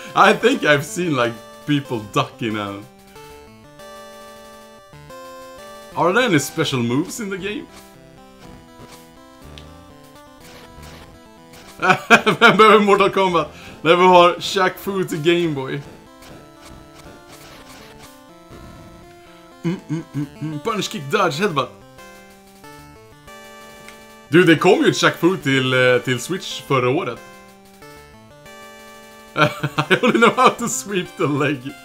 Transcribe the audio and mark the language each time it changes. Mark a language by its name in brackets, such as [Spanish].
[English] I think I've seen like people ducking and... Are there any special moves in the game? [Swedish] Vem behöver Mortal Kombat när vi har Shaq Fu till Game Boy? [English] Punch, kick, dodge, headbutt. [Swedish] Du, det kom ju ett Shaq Fu till Switch förra året. [English] I only know how to sweep the leg.